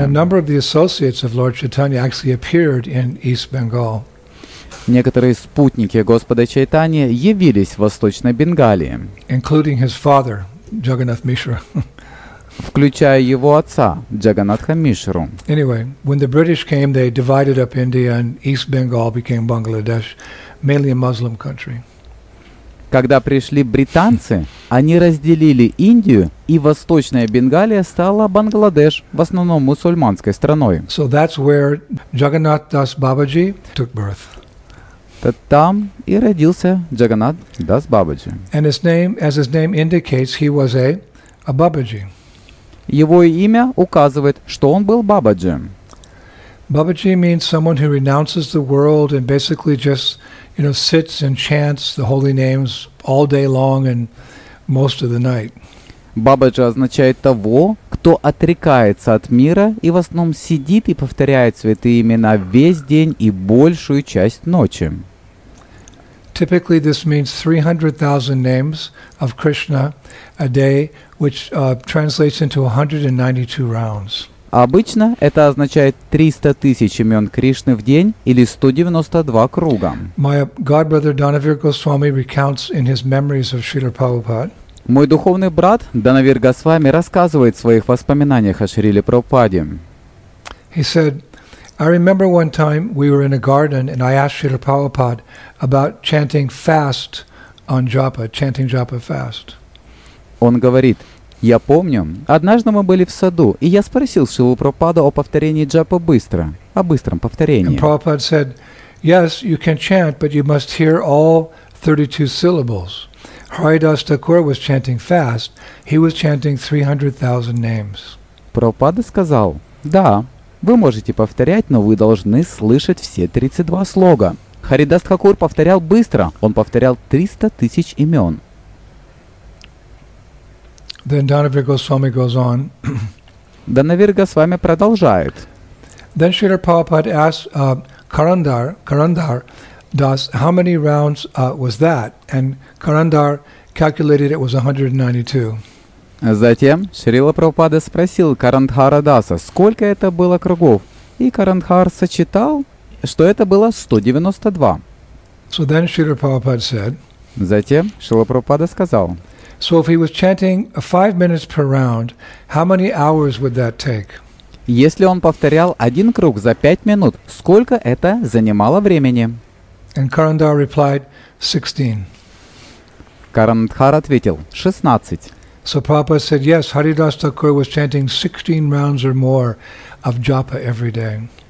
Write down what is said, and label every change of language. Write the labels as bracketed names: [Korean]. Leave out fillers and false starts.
[English] And a number of the associates of Lord Chaitanya actually appeared in East Bengal. [Russian] Некоторые спутники Господа Чайтани явились в Восточной Бенгалии. [English] Including his father, Jagannath Mishra. [Russian] Включая его отца, Джаганатха Мишру. [English] Anyway, when the British came, they divided up India and East Bengal became Bangladesh, mainly a Muslim country. [Russian] Когда пришли британцы, они разделили Индию, и Восточная Бенгалия стала Бангладеш, в основном мусульманской страной. [English] So that's where Jagannath Das Babaji took birth. [Russian] Там и родился Джаганат Дас Бабаджи. [English] And his name, as his name indicates, he was a Бабаджи. [Russian] Его имя указывает, что он был Бабаджи. [English] Бабаджи means someone who renounces the world and basically just, you know, sits and chants the holy names all day long and most of the night. [Russian] Бабаджа означает того, кто отрекается от мира и в основном сидит и повторяет святые имена весь день и большую часть ночи. [English] Typically this means 300,000 names of Krishna a day, which translates into 192 rounds. [Russian] Обычно это означает 300 тысяч имен Кришны в день или 192 круга. [English] My godbrother Dhanavir Goswami recounts in his memories of Srila Prabhupada. [Russian] Мой духовный брат Дханавир Госвами рассказывает в своих воспоминаниях о Шриле Прабхупаде. [English] He said, I remember one time we were in a garden and I asked Srila Prabhupada about chanting fast on japa, chanting japa fast. [Russian] Он говорит, я помню, однажды мы были в саду, и я спросил Шрилу Прабхупаду о повторении джапа быстро, о быстром повторении. [English] And Prabhupada said, yes, you can chant, but you must hear all 32 syllables. Haridas Thakur was chanting fast, he was chanting 300,000 names. [Russian] Прабхупада сказал, да, вы можете повторять, но вы должны слышать все 32 слога. Харидас Хакур повторял быстро, он повторял 300 тысяч имен. [English] Then Dhanavir Goswami goes on. [Russian] Dhanavir Goswami продолжает. [English] Then Srila Prabhupada asked Karandar Das, how many rounds was that? And Karandar calculated it was 192. [Russian] Затем Шрила Прабхупада спросил Карандхара Даса, сколько это было кругов? И Карандхар сочитал, что это было 192. [English] So then Srila Prabhupada said. [Russian] Затем Шрила Прабхупада сказал. [English] So if he was chanting 5 minutes per round, how many hours would that take? [Russian] Если он повторял один круг за 5 минут, сколько это занимало времени? [English] And Karandar replied, 16. [Russian] Карандхар ответил, 16. [English] So Prabhupada said, yes, Haridas Thakur was chanting 16 rounds or more of japa every day.